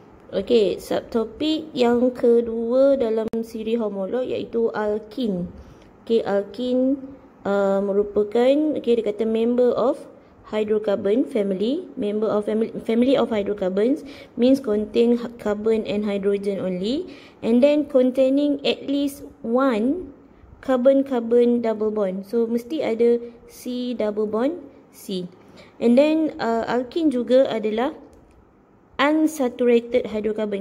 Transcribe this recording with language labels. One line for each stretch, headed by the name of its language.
Malay: Okey, subtopik yang kedua dalam siri homolog iaitu alkin. Okey, alkin merupakan okey dia kata
English: member of hydrocarbon family, member of family of hydrocarbons means contain carbon and hydrogen only and then containing at least one carbon-carbon double bond.
Malay: So mesti ada C double bond C.
English: And then
Malay: alkin juga adalah
English: unsaturated hydrocarbon.